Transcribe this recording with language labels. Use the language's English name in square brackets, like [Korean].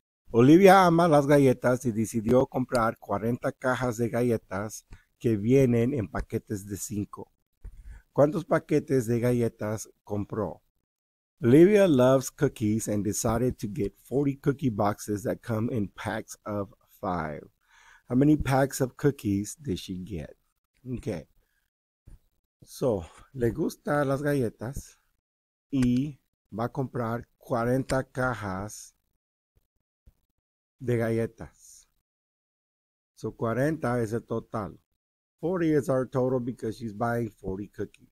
[Spanish] Olivia ama las galletas y decidió comprar 40 cajas de galletas que vienen en paquetes de 5. ¿Cuántos paquetes de galletas compró? [English] Olivia loves cookies and decided to get 40 cookie boxes that come in packs of 5. How many packs of cookies did she get? Okay. [Spanish] So, le gustan las galletas y va a comprar 40 cajas de galletas. [English] So [Spanish] 40 es el total. [English] 40 is our total because she's buying 40 cookies.